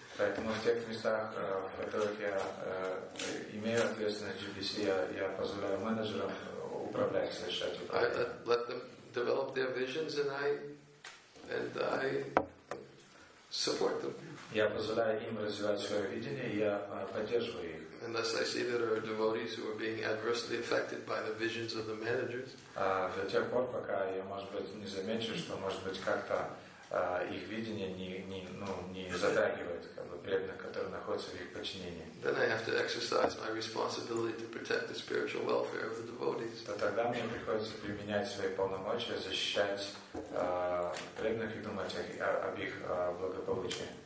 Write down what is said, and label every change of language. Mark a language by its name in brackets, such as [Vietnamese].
[Russian] Поэтому в тех местах, в которых я имею ответственность GBC, я позволяю менеджерам управлять, совершать управление. [English] I let them develop their visions and I support them. [Russian] Я позволяю им развивать свое видение, я поддерживаю их. [English] Unless I see that there are devotees who are being adversely affected by the visions of the managers. [Russian] До тех пор, пока я, может быть, не замечу, что, может быть, как-то их видение не затрагивает как бы преданных, которые находятся в их подчинении. [English] Then I have to exercise my responsibility to protect the spiritual welfare of the devotees. [Russian] То тогда мне приходится применять свои полномочия, защищать преданных и думать об их благополучии.